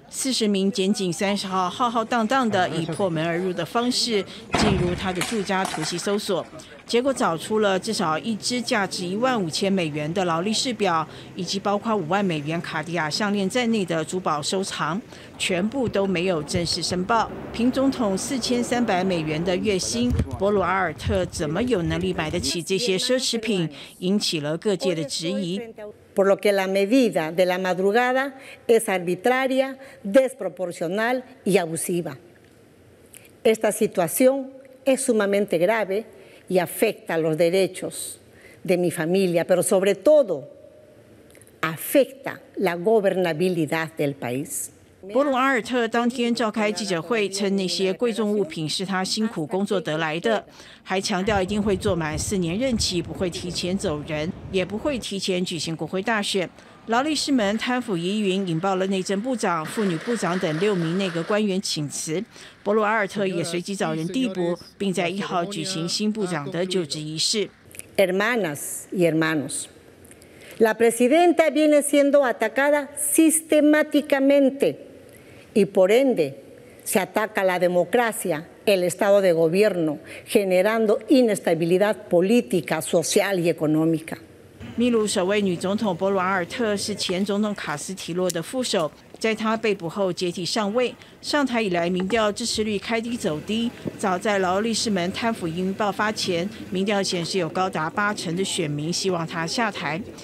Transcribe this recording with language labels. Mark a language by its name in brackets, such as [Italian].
[Chinese] 40名检警30号浩浩荡荡的以破门而入的方式进入他的住家突袭搜索，结果找出了至少一只价值15000美元的劳力士表，以及包括50000美元卡地亚项链在内的珠宝收藏，全部都没有正式申报。凭总统4300美元的月薪，博鲁阿尔特怎么有能力买得起这些奢侈品，引起了各界的质疑。 [Spanish] Por lo que la medida de la madrugada es arbitraria, desproporcional y abusiva. Esta situación es sumamente grave y afecta los derechos de mi familia, pero sobre todo afecta la gobernabilidad del país. [Chinese] 博鲁阿尔特当天召开记者会，称那些贵重物品是他辛苦工作得来的，还强调一定会坐满4年任期，不会提前走人，也不会提前举行国会大选。劳力士们贪腐疑云引爆了内政部长、妇女部长等6名内阁官员请辞，博鲁阿尔特也随即找人递补，并在1号举行新部长的就职仪式。 [Spanish] Hermanas y hermanos, la presidenta viene siendo atacada sistemáticamente. Y por ende, se ataca la democracia, el Estado de gobierno, generando inestabilidad política, social y económica. [Chinese] 秘鲁首位女总统博鲁阿尔特是前总统卡斯提洛的副手，在她被捕后接替上位。上台以来，民调支持率开低走低。早在劳力士们贪腐疑云爆发前，民调显示有高达80%的选民希望她下台。